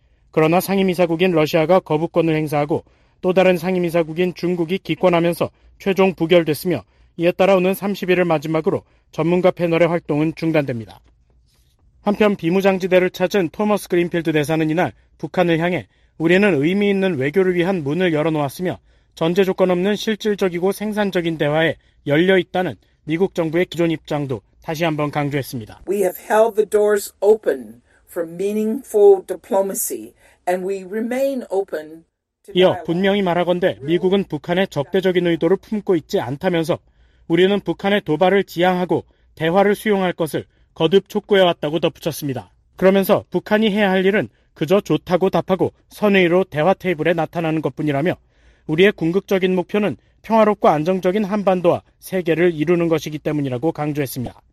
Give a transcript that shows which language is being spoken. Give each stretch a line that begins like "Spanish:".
Korean: 그러나 상임이사국인 러시아가 거부권을 행사하고 또 다른 상임이사국인 중국이 기권하면서 최종 부결됐으며 이에 따라 오는 30일을 마지막으로 전문가 패널의 활동은 중단됩니다. 한편 비무장지대를 찾은 토머스 그린필드 대사는 이날 북한을 향해 우리는 의미 있는 외교를 위한 문을 열어놓았으며 전제 조건 없는 실질적이고 생산적인 대화에 열려 있다는 미국 정부의 기존 입장도 다시 한번 강조했습니다.
English: We have held the doors open for meaningful diplomacy and we remain open.
Korean: 이어 분명히 말하건대 미국은 북한의 적대적인 의도를 품고 있지 않다면서 우리는 북한의 도발을 지양하고 대화를 수용할 것을 거듭 촉구해왔다고 덧붙였습니다. 그러면서 북한이 해야 할 일은 그저 좋다고 답하고 선의로 대화 테이블에 나타나는 것뿐이라며 우리의 궁극적인 목표는 평화롭고 안정적인 한반도와 세계를 이루는 것이기 때문이라고 강조했습니다.